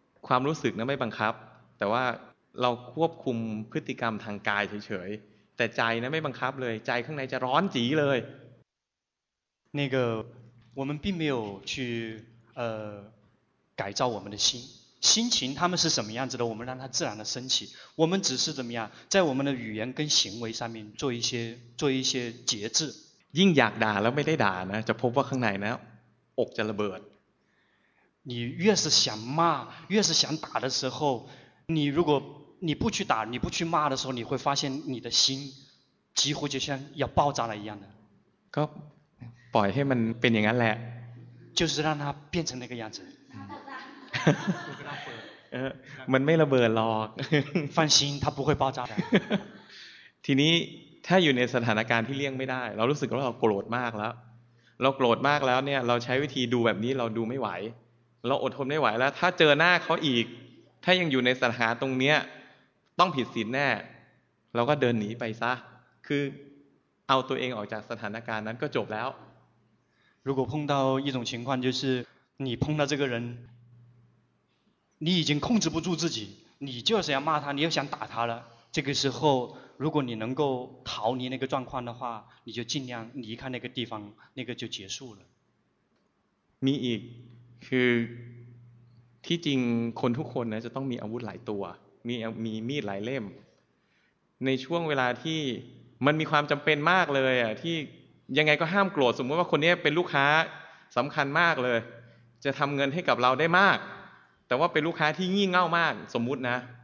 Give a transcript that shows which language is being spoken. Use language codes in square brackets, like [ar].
[th] ความรู้สึกนะไม่บังคับแต่ว่าเราควบคุมพฤติกรรมทางกายเฉยๆแต่ใจนะไม่บังคับเลยใจข้างในจะร้อนจี๋เลย [zh] 那个我们并没有去改造我们的心心情他们是什么样子的我们让它自然的升起我们只是怎么样在我们的语言跟行为上面做一些节制 [th] ยิ่งอยากด่าแล้วไม่ได้ด่านะจะพบว่าข้างในนะอกจะระเบิด [zh] 你越是想骂越是想打的时候你如果你不去打你不去骂的时候你会发现你的心几乎就像要爆炸了一样的 [th] ก็ปล่อยให้มันเป็นอย่างนั้นแหละ [zh] 就就是让它变成那个样子。 [th] มันไม่ระเบิดหรอก [zh] 放心它不会爆炸的 [th] ทีนี้ถ้าอยู่ในสถานการณ์ที่เลี่ยงไม่ได้เรารู้สึกว่าเราโกรธมากแล้วเราโกรธมากแล้วเนี่ยเราใช้วิธีดูแบบนี้เราดูไม่ไหวเราอดทนไม่ไหวแล้วถ้าเจอหน้าเขาอีกถ้ายังอยู่ในสถานะตรงเนี้ยต้องผิดศีลแน่เราก็เดินหนีไปซะคือเอาตัวเองออกจากสถานการณ์นั้นก็จบแล้ว [zh] 如果碰到一种情况就是你碰到这个人你已经控制不住自己你就是要骂他你又想打他了这个时候如果你能够逃离那个状况的话你就尽量离开那个地方那个就结束了 [th] มีอีกคือที่จริงคนทุกคนนะจะต้องมีอาวุธหลายตัวมีมีดหลายเล่มในช่วงเวลาที่มันมีความจำเป็นมากเลยอ่ะที่ยังไงก็ห้ามโกรธสมมติว่าคนนี้เป็นลูกค้าสำคัญมากเลยจะทำเงินให้กับเราได้มากแต่ว่าเป็นลูกค้าที่งี่เง่ามากสมมุตินะ